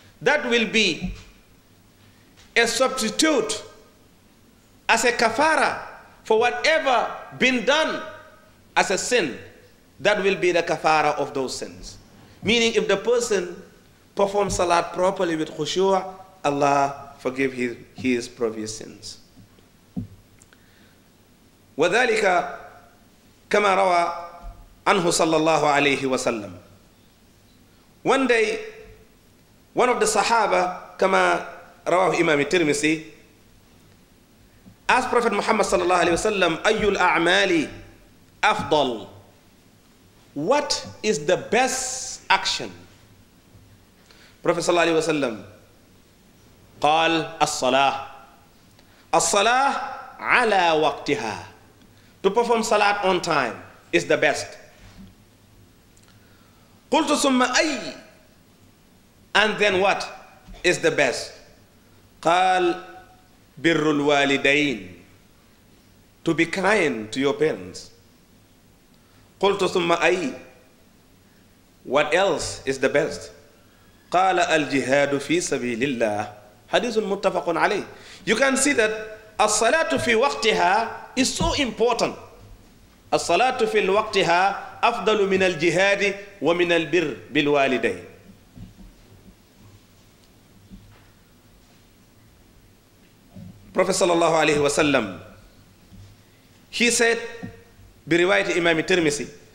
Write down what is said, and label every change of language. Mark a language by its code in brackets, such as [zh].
[en] That will be a substitute as a kafara for whatever been done as a sin. That will be the kafara of those sins. Meaning if the person performs salat properly with khushu', Allah forgive his previous sins. [ar] Wadhalika كما روى عنه صلى الله عليه وسلم. [en] One day, one of the Sahaba, [ar] كما رواه إمام الترمذي, [en] asked Prophet Muhammad صلى الله عليه وسلم, [ar] أي الأعمال أفضل? [en] What is the best action? [ar] Prophet صلى الله عليه وسلم قال الصلاة. الصلاة على وقتها. [en] To perform salat on time is the best. [ar] قلت ثم أي, [en] and then what is the best? [ar] قال بر الوالدين, [en] to be kind to your parents. [ar] قلت ثم أي, [en] what else is the best? [ar] قال الجهاد في سبيل الله. حديث متفق عليه. [en] You can see that [ar] الصلاة في وقتها [en] is so important. [ar] الصلاة في وقتها أفضل من الجهاد ومن البر بالوالدين. Prophet صلى الله عليه وسلم, [en] he said, [ar] برواية إمام الترمذي,